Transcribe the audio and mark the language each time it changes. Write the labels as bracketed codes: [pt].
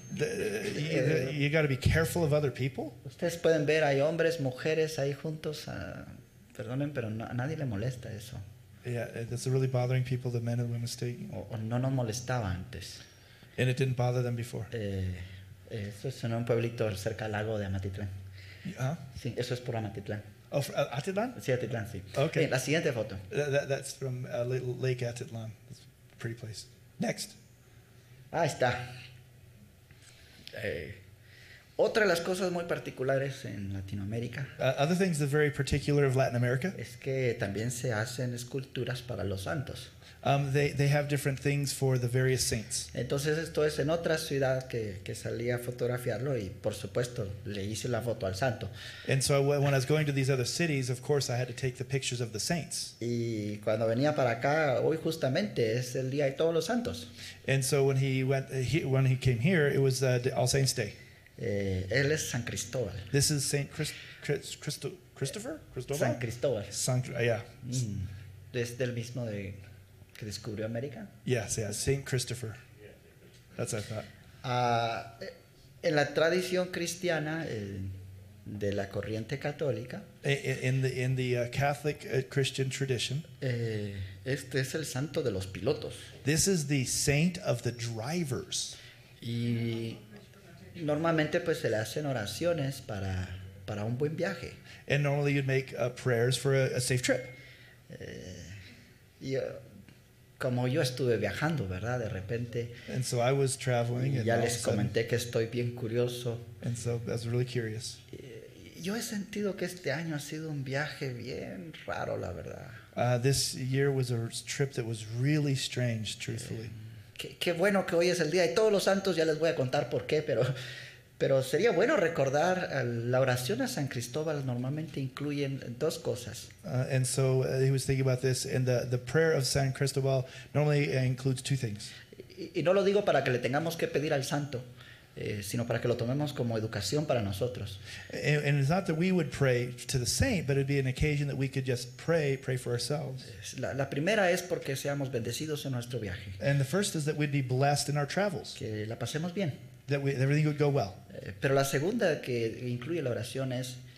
[en] You got to be careful of other people. [es] Ustedes pueden ver, hay hombres, mujeres ahí juntos. Perdonen, pero a nadie le molesta eso. [en] Yeah, it's really bothering people, the men and women staying. [es] No nos molestaba antes. [en] And it didn't bother them before. [es] Eso es en un pueblito cerca del lago de Amatitlán. Huh? Sí, eso es por Amatitlán. [en] Oh, for Atitlán? [es] Sí, Atitlán, sí. [en] Okay. [es] Sí, la siguiente foto. [en] That's from Lake Atitlán. It's a pretty place. Next. [es] Ahí está. Otra de las cosas muy particulares en Latinoamérica. [en] Other things that are very particular of Latin America. [es] Es que también se hacen esculturas para los santos. [en] They have different things for the various saints. [es] Entonces esto es en otra ciudad que salí a fotografiarlo y por supuesto le hice la foto al santo. [en] And so when I was going to these other cities, of course I had to take the pictures of the saints. [es] Y cuando venía para acá hoy justamente es el día de todos los santos. [en] And so when he came here, it was All Saints Day. [es] Él es San Cristóbal. [en] This is Saint Christopher? Christopher? [es] San Cristóbal. [en] Yeah. [es] Es del mismo de que descubrió América. [en] Yes, yes, Saint Christopher. That's what I thought. [es] En la tradición cristiana de la corriente católica. [en] In the Catholic Christian tradition. [es] Este es el santo de los pilotos. [en] This is the saint of the drivers. [es] Y normalmente pues se le hacen oraciones para un buen viaje. [en] And normally you'd make prayers for a safe trip. [es] Como yo estuve viajando, ¿verdad? De repente. [en] And so I was traveling. [es] Ya les comenté que estoy bien curioso. [en] And so I was really curious. [es] Yo he sentido que este año ha sido un viaje bien raro, la verdad. [en] This year was a trip that was really strange, truthfully. [es] Qué bueno que hoy es el día de todos los santos. Ya les voy a contar por qué, pero sería bueno recordar la oración a San Cristóbal normalmente incluyen dos cosas. [en] And so he was thinking about this, and the prayer of San Cristóbal normally includes two things. [es] Y no lo digo para que le tengamos que pedir al santo, sino para que lo tomemos como educación para nosotros. [en] And it's not that we would pray to the saint, but it'd be an occasion that we could just pray for ourselves. [es] La primera es porque seamos bendecidos en nuestro viaje. [en] And the first is that we'd be blessed in our travels. [es] Que la pasemos bien. [en] That everything would go well. [es] Pero la segunda que incluye la oración es